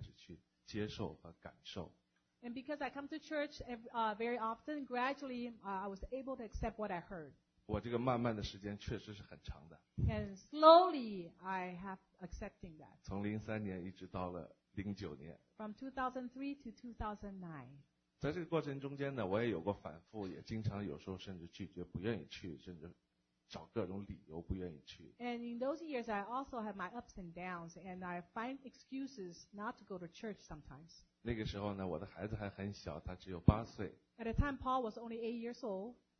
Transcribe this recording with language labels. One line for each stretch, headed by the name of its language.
Chinese: 然后呢，我慢慢慢慢的就跟教会里面接触，然后我就很就是怎么讲，就是我心里面就开始慢慢慢慢的开始去接受和感受。And
English: because I come to church very often, gradually I was able to accept what I heard.
Chinese: 我这个慢慢的时间确实是很长的。And
English: slowly I have accepting that.
Chinese: 从03年一直到了09年。From
English: 2003 to 2009.
Chinese: 在这个过程中间呢，我也有过反复，也经常有时候甚至拒绝，不愿意去，甚至找各种理由不愿意去。And
English: in those years, I also have my ups and downs, and I find excuses not to go to church sometimes.
Chinese: 那个时候呢，我的孩子还很小，他只有8岁。At
English: the time, Paul was only 8 years old.